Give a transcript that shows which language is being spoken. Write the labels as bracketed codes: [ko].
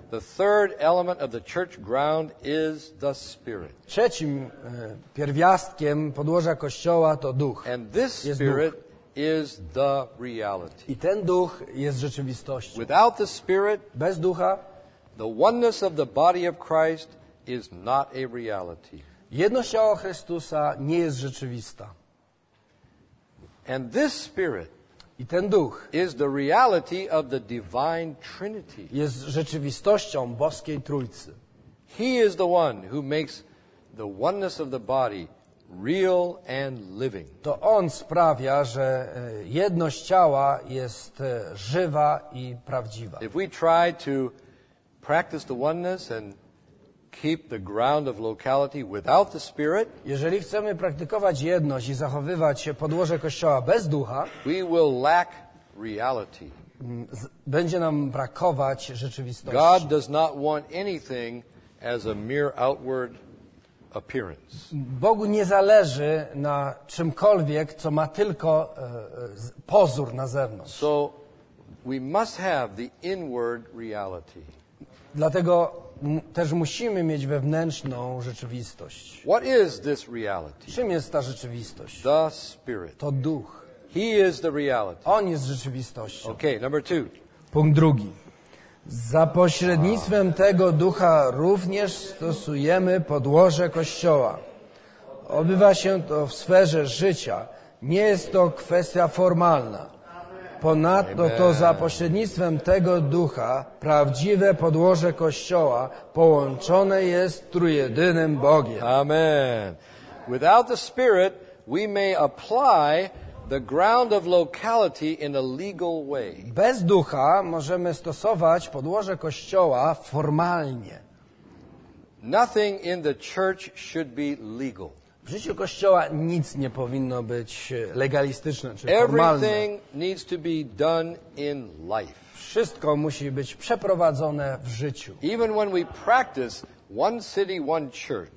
[en] The third element of the church ground is the Spirit. [pl] Trzecim pierwiastkiem podłoża kościoła to duch. [en] And this Spirit is the reality. [pl] I ten duch jest rzeczywistością. [en] Without the Spirit, [pl] bez ducha, [en] the oneness of the body of Christ is not a reality. [pl] Jedność ciała Chrystusa nie jest rzeczywista. [en] And this Spirit, [pl] i ten duch, [en] is the reality of the divine Trinity. [pl] Jest rzeczywistością boskiej Trójcy. [en] He is the one who makes the oneness of the body real and living. [pl] To on sprawia, że jedność ciała jest żywa i prawdziwa. [en] If we try to practice the oneness and keep the ground of locality without the Spirit, [pl] jeżeli chcemy praktykować jedność i zachowywać się podłoże kościoła bez ducha, [en] we will lack reality. [pl] Będzie nam brakować rzeczywistości. [en] God does not want anything as a mere outward appearance. [pl] Bogu nie zależy na czymkolwiek, co ma tylko pozór na zewnątrz. [en] So we must have the inward reality. [pl] Dlatego też musimy mieć wewnętrzną rzeczywistość. [en] What is this reality? [pl] Czym jest ta rzeczywistość? [en] The Spirit. [pl] To duch. [en] He is the reality. [pl] On jest rzeczywistością. [en] Okay, number two. [pl] Punkt drugi. Za pośrednictwem tego ducha również stosujemy podłoże kościoła. Odbywa się to w sferze życia. Nie jest to kwestia formalna. Ponadto to za pośrednictwem tego ducha prawdziwe podłoże kościoła połączone jest trójjedynym Bogiem. Amen. [en] Without the Spirit, we may apply the ground of locality in a legal way. [pl] Bez ducha możemy stosować podłoże kościoła formalnie. [en] Nothing in the church should be legal. [pl] W życiu kościoła nic nie powinno być legalistyczne czy formalne. [en] Everything needs to be done in life. [pl] Wszystko musi być przeprowadzone w życiu. [en] Even when we practice one city, one church.